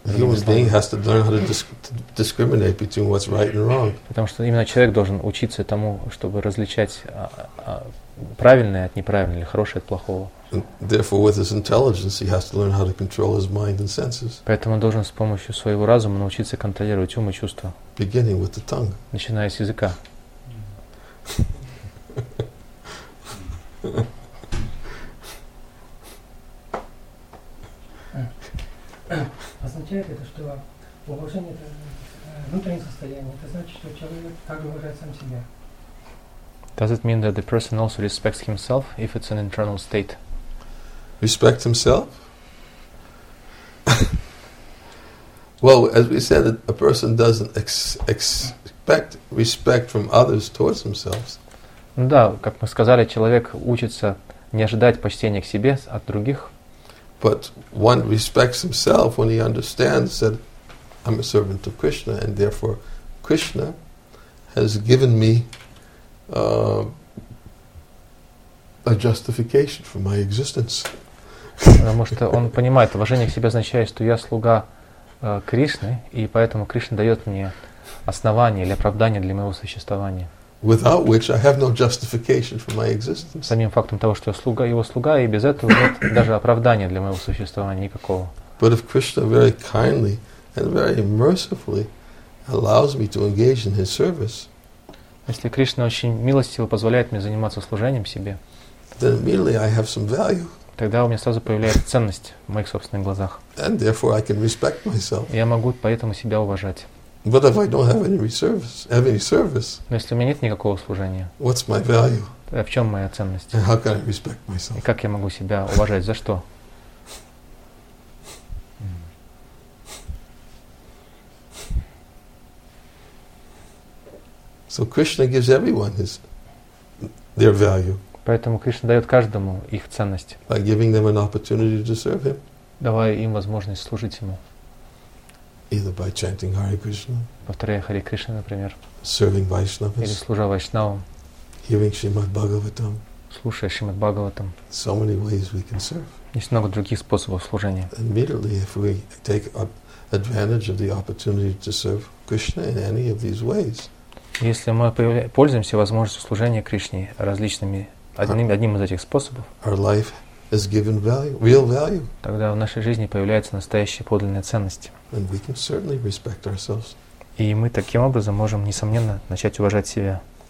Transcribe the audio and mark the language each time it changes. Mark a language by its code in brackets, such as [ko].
[en] A human being has to learn how to discriminate between what's right and wrong. [ru] Потому что именно человек должен учиться тому, чтобы различать правильное от неправильного или хорошее от плохого. [en] Therefore, with his intelligence, he has to learn how to control his mind and senses. [ru] Поэтому должен с помощью своего разума научиться контролировать ум и чувства. [en] Beginning with the tongue. [ru] Начиная с языка. Означает это, что уважение – это внутреннее состояние. Это значит, что человек также уважает сам себя. [en] Does it mean that the person also respects himself if it's an internal state? Respect himself? Well, as we said, a person doesn't expect respect from others towards themselves. [ru] Да, как мы сказали, человек учится не ожидать почтения к себе от других. [en] But one respects himself when he understands that I'm a servant of Krishna, and therefore Krishna has given me a justification for my existence. [ru] Потому что он понимает, уважение к себе означает, что я слуга Кришны, и поэтому Кришна дает мне основание или оправдание для моего существования. [en] Without which I have no justification for my existence. [ru] Самим фактом того, что я слуга, его слуга, и без этого нет даже оправдания для моего существования никакого. [en] But if Krishna very kindly and very mercifully allows me to engage in his service, [ru] если Кришна очень милостиво позволяет мне заниматься служением себе, [en] then immediately I have some value. [ru] Тогда у меня сразу появляется ценность в моих собственных глазах. [en] And therefore I can respect myself. But if I don't have any service, [ru] но если у меня нет никакого служения, [en] what's my value? [ru] А в чем моя ценность? [en] And how can I respect myself? [ru] И как я могу себя уважать? За что? [en] So Krishna gives everyone their value. [ru] Поэтому Кришна дает каждому их ценность. [en] By giving them an opportunity to serve him. [ru] Давая им возможность служить ему. [en] Either by chanting Hare Krishna. [ru] Повторяя Харе Кришна, например. [en] Serving Vaishnavas. [ru] Или служа Вайшнавам. [en] Hearing Shrimad Bhagavatam. [ru] Слушая Шримад Бхагаватам. [en] So many ways we can serve. [ru] Есть много других способов служения. [en] Immediately, if we take advantage of the opportunity to serve Krishna in any of these ways. [ru] Если мы пользуемся возможностью служения Кришне различными одним из этих способов, [en] our life is given value, real value. [ru] Тогда в нашей жизни появляются настоящие подлинные ценности. [en] And we can certainly respect ourselves. [ru] И мы таким образом можем, несомненно, начать уважать себя.